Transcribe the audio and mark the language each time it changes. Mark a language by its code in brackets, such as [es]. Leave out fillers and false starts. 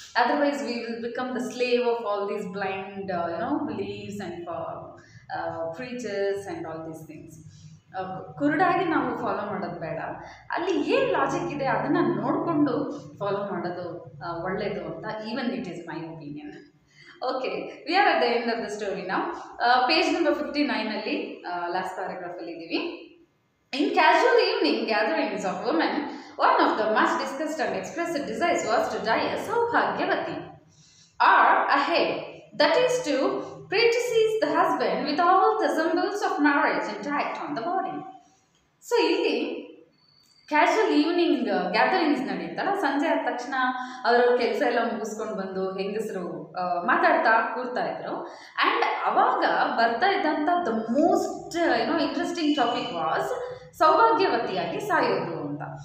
[en] Otherwise, we will become the slave of all these blind, beliefs and preachers and all these things. [kn] ಕುರುಡಾಗಿ ನಾವು follow ಮಾಡೋದು ಬೇಡ. ಅಲ್ಲಿ ಏನು logic ಇದೆ ಅದನ್ನು ನೋಡಿಕೊಂಡು ಫಾಲೋ ಮಾಡೋದು ಒಳ್ಳೆಯದು ಅಂತ, [en] Even it is my opinion. Okay, we are at the end of the story ನಾವು. Page number 59 last [kn] ಪ್ಯಾರಾಗ್ರಾಫಲ್ಲಿ ಇದ್ದೀವಿ. [en] In casual evening gatherings of women, one of the much discussed and expressed desires was to die a Saubhagyavati or a hay, that is to predecease the husband with all the symbols of marriage intact on the body. [kn] So, ಇಲ್ಲಿ casual evening gatherings ನಡೀತಲ್ಲ, ಸಂಜೆ ಆದ ತಕ್ಷಣ ಅವರು ಕೆಲಸ ಎಲ್ಲ ಮುಗಿಸ್ಕೊಂಡು ಬಂದು ಹೆಂಗಸರು ಮಾತಾಡ್ತಾ ಕೂರ್ತಾ ಇದ್ರು. ಆ್ಯಂಡ್ ಅವಾಗ ಬರ್ತಾ ಇದ್ದಂಥ [en] the most interesting topic was [kn] ಸೌಭಾಗ್ಯವತಿಯಾಗಿ ಸಾಯೋದು ಅಂತ.